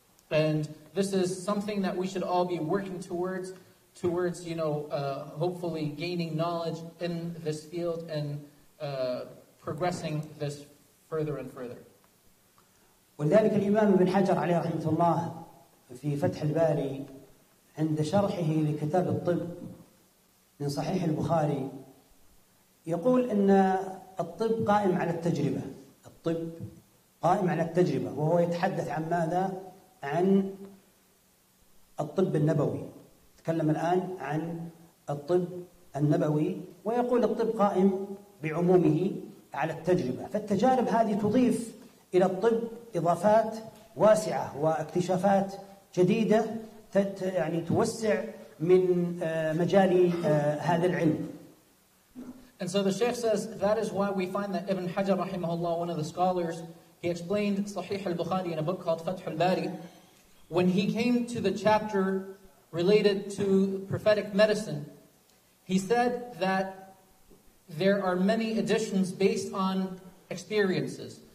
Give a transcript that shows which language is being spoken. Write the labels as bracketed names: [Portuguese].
[English] And this is something that we should all be working towards, hopefully gaining knowledge in this field and progressing this further and further. [Arabic] ولذلك الإمام ابن حجر عليه رحمة الله في فتح الباري عند شرحه لكتاب الطب من صحيح البخاري يقول إن الطب قائم على التجربة. الطب قائم على التجربة، وهو يتحدث عن ماذا؟ عن الطب النبوي. تكلم الآن عن الطب النبوي، ويقول الطب قائم بعمومه على التجربة، فالتجارب هذه تضيف إلى الطب إضافات واسعة واكتشافات جديدة توسع من مجال هذا العلم. [English] And so the Sheikh says that is why we find that Ibn Hajar rahimahullah, one of the scholars, he explained Sahih al-Bukhari in a book called Fath al-Bari. When he came to the chapter related to prophetic medicine, he said that there are many additions based on experiences.